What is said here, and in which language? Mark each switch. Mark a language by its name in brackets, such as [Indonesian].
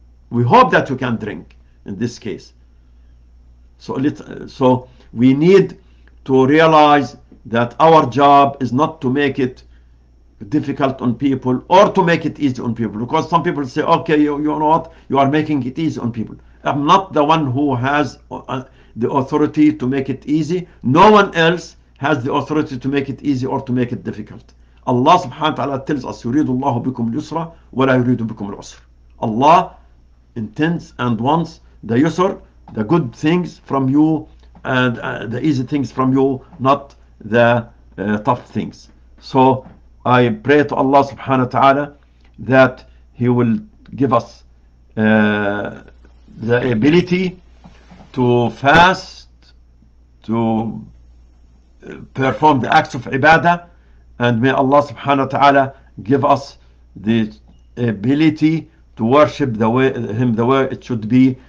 [English] We hope that you can drink in this case. So we need to realize that our job is not to make it difficult on people or to make it easy on people, because some people say, okay, you know what, you are making it easy on people. I'm not the one who has the authority to make it easy. No one else has the authority to make it easy or to make it difficult. Allah subhanahu wa ta'ala tells us, [Arabic] يريد الله بكم اليسر ولا يريد بكم العسر. [English] Allah intends and wants the yusr, the good things from you, and the easy things from you, not the tough things. So I pray to Allah subhanahu wa ta'ala that He will give us the ability to fast, to perform the acts of ibadah, and may Allah subhanahu wa ta'ala give us the ability to worship Him the way it should be.